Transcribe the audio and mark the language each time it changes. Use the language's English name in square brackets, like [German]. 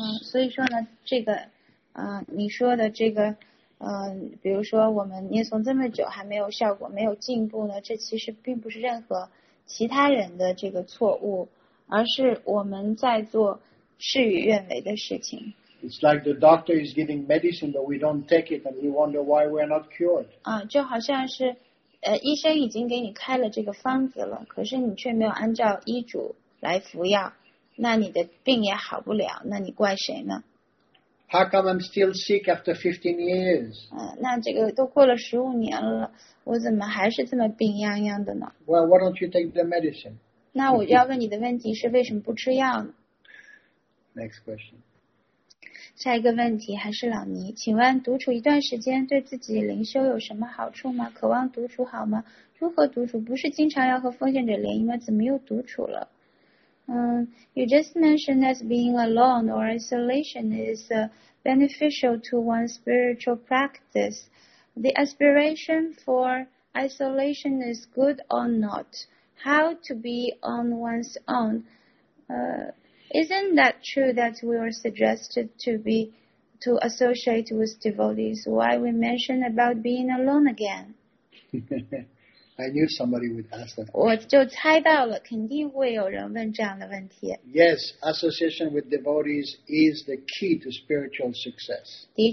[Chinese] 所以说呢，这个，你说的这个。比如说我们念诵这么久还没有效果，没有进步呢，这其实并不是任何其他人的这个错误，而是我们在做事与愿违的事情。 [English] It's like the doctor is giving medicine, but we don't take it, and we wonder why we're not cured. [Chinese] 就好像是，医生已经给你开了这个方子了，可是你却没有按照医嘱来服药，那你的病也好不了，那你怪谁呢？ [English] How come I'm still sick after 15 years? [Chinese] 那这个都过了15年了，我怎么还是这么病殃殃的呢？ [English] Well, why don't you take the medicine? [Chinese] 那我要问你的问题是为什么不吃药呢？ [English] Next question. [Chinese] 下一个问题还是老尼，请问独处一段时间对自己灵修有什么好处吗？渴望独处好吗？如何独处？不是经常要和奉献者联谊吗？怎么又独处了？ [English] You just mentioned that being alone or isolation is beneficial to one's spiritual practice. The aspiration for isolation is good or not? How to be on one's own? Isn't that true that we are suggested to associate with devotees? Why we mention about being alone again? I knew somebody would ask that question. [Chinese] 我就猜到了, 肯定会有人问这样的问题。 [English] Yes, association with devotees is the key to spiritual success.